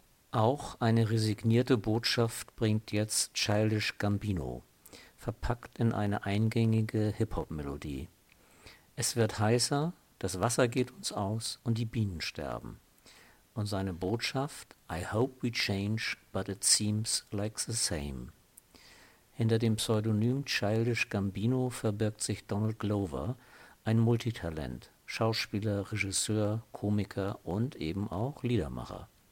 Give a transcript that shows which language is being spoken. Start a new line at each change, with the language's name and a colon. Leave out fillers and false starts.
German: Auch eine resignierte Botschaft bringt jetzt Childish Gambino, verpackt in eine eingängige Hip-Hop-Melodie. Es wird heißer, das Wasser geht uns aus und die Bienen sterben. Und seine Botschaft,
English: I hope we change, but it seems like the same.
German: Hinter dem Pseudonym Childish Gambino verbirgt sich Donald Glover, ein Multitalent, Schauspieler, Regisseur, Komiker und eben auch Liedermacher.